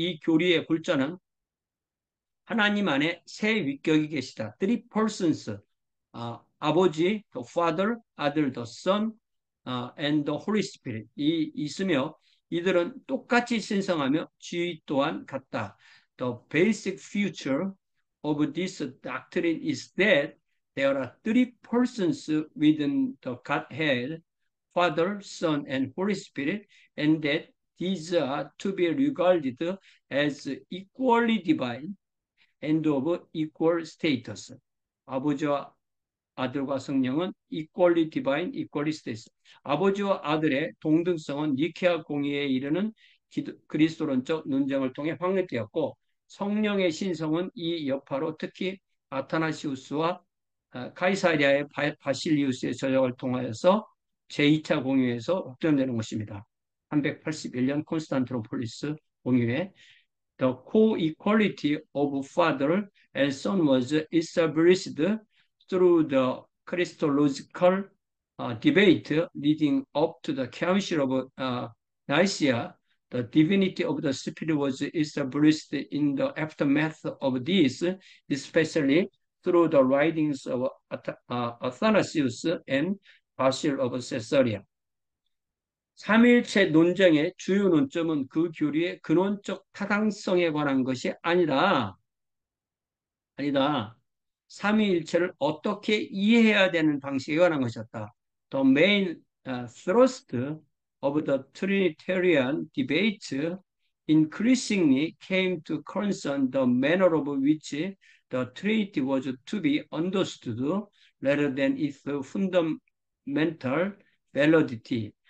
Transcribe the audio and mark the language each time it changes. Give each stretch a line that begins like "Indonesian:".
Korean: 이 교리의 골자는 하나님 안에 세 위격이 계시다.
English: Three persons. 아버지, the father, 아들, the son, and the Holy Spirit.
Korean: 있으며 이들은 똑같이 신성하며 지위 또한 같다.
English: The basic feature of this doctrine is that there are three persons within the Godhead, Father, Son, and Holy Spirit, and that these are to be regarded as equally divine and of equal status.
Korean: 아버지와 아들과 성령은
English: equally divine, equally status.
Korean: 아버지와 아들의 동등성은 니케아 공의에 이르는 그리스도론적 논쟁을 통해 확립되었고, 성령의 신성은 이 여파로 특히 아타나시우스와 카이사리아의 바실리우스의 조작을 통하여서 제2차 공의회에서 확정되는 것입니다. 381년 콘스탄티노폴리스 공의회.
English: The co-equality of father and son was established through the Christological debate leading up to the Council of Nicaea. The divinity of the spirit was established in the aftermath of this, especially through the writings of Athanasius and Basil of Caesarea.
Korean: 삼위일체 논쟁의 주요 논점은 그 교리의 근원적 타당성에 관한 것이 아니다. 삼위일체를 어떻게 이해해야 되는 방식에 관한 것이었다.
English: The main thrust of the Trinitarian debate increasingly came to concern the manner of which the Trinity was to be understood rather than its fundamental validity.